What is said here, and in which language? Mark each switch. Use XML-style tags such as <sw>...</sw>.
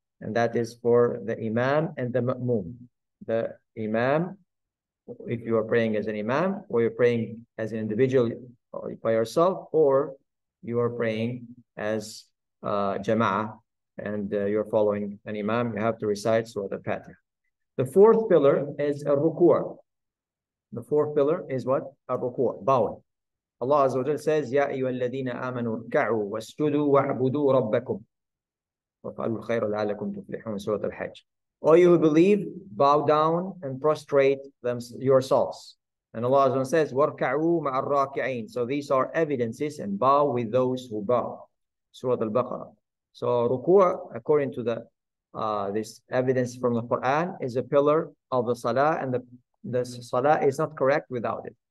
<en>And that is for the imam and the ma'mum. The imam, if you are praying as an imam, or you're praying as an individual by yourself, or you are praying as jama'ah, and you're following an imam, you have to recite Surah Al-Fatiha. The fourth pillar is al-ruku'ah. The fourth pillar is what? Al-ruku'ah, bowing.</en> <ar>Allah Azza wa Jalla says, يَا أَيُّهَا الَّذِينَ آمَنُوا ارْكَعُوا وَاسْجُدُوا وَاعْبُدُوا رَبَّكُمْ وَفَعَلُوا الْخَيْرَ لَعَلَّكُمْ تُفْلِحُونَ سُورَةَ الْحَجِّ.</ar> <en>All you who believe, bow down and prostrate yourselves. And Allah Azza wa Jalla says,</en> <ar>وَارْكَعُوا مَعَ الرَّاكِعِينَ.</ar> <en>So these are evidences, and bow with those who bow. Surah Al-Baqarah. So ruku', according to the this evidence from the Quran, is a pillar of the salah, and the salah is not correct without it.</en>